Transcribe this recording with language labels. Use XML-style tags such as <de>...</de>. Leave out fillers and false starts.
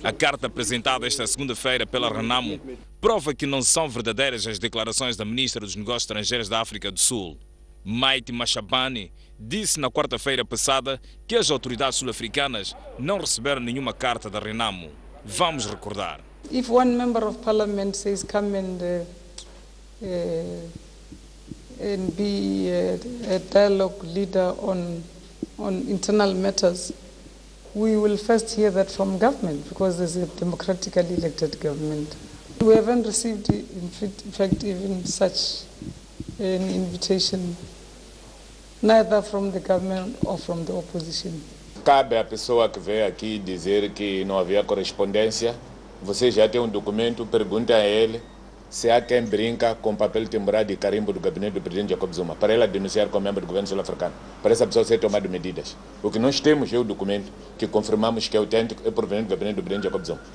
<pt>A carta apresentada esta segunda-feira pela Renamo prova que não são verdadeiras as declarações da ministra dos Negócios Estrangeiros da África do Sul. Maite Mashabane disse na quarta-feira passada que as autoridades sul-africanas não receberam nenhuma carta da Renamo. Vamos recordar.</pt> <en>If one member of parliament says come and be a dialogue leader on internal matters, we will first hear that from government because there's a democratically elected government. We haven't received, in fact, even such an invitation, neither from the government or from the opposition.</en> <pt>Cabe à pessoa que vem aqui dizer que não havia correspondência. Você já tem um documento, pergunta a ele. Se há quem brinca com papel timbrado e carimbo do gabinete do presidente Jacob Zuma, para ela denunciar como membro do governo sul-africano, para essa pessoa ser tomado medidas. O que nós temos é o documento que confirmamos que é autêntico e proveniente do gabinete do presidente Jacob Zuma.</pt>